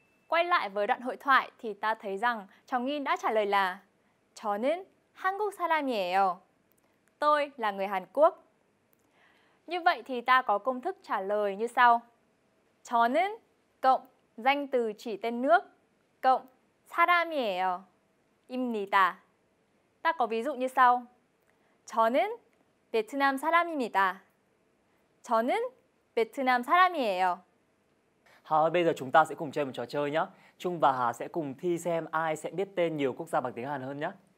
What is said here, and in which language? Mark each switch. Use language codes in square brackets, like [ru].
[vi] Quay lại với đoạn hội thoại thì ta thấy rằng Trọng In đã trả lời là [ko] 저는 한국 사람이에요. [vi] Tôi là người Hàn Quốc. Như vậy thì ta có công thức trả lời như sau. 저는 cộng danh từ chỉ tên nước cộng 사람이에요. 입니다. Ta có ví dụ như sau. [ko] 저는 베트남 사람입니다. 저는 베트남 사람이에요. [vi] Hà ơi, bây giờ chúng ta sẽ cùng chơi một trò chơi nhé. Trung và Hà sẽ cùng thi xem ai sẽ biết tên nhiều quốc gia bằng tiếng Hàn hơn nhé.